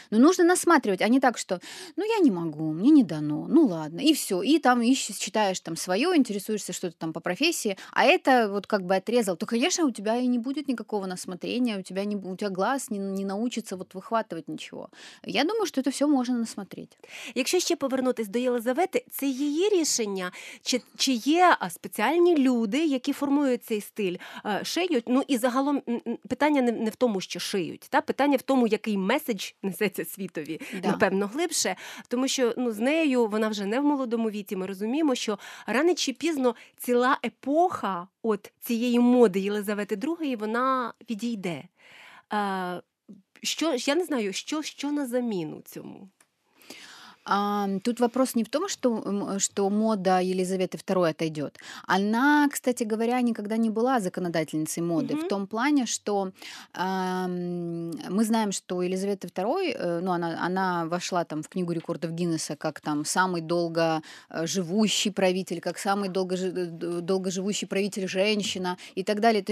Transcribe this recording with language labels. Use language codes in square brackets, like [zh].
[ru] Но нужно насматривать, а не так, что, ну, я не могу, мне не дано, ну, ладно, и все. И там ищешь, читаешь там свое, интересуешься что-то там по профессии, а это вот как бы отрезал. То, конечно, у тебя и не будет никакого насмотрения, у тебя глаз не научится вот выхватывать ничего. Я думаю, что это все можно насмотреть. [uk] Если еще повернутись до Елизавети, [ru] это ее решение, [uk] чи є специальные люди, які формують цей стиль, шиють, ну, и загалом, питання не в тому, що шиють, та питання в тому, який меседж несеться світові, напевно, глибше. Тому що, ну, з нею вона вже не в молодому віці. Ми розуміємо, що рано чи пізно ціла епоха от цієї моди Єлизавети II, вона відійде. Що я не знаю, що на заміну цьому? [ru] Тут вопрос не в том, что мода Елизаветы II отойдет. Она, кстати говоря, никогда не была законодательницей моды. Mm-hmm. В том плане, что мы знаем, что Елизавета II, ну, она вошла там в Книгу рекордов Гиннесса как там самый долгоживущий правитель, как самый долгоживущий правитель женщина и так далее.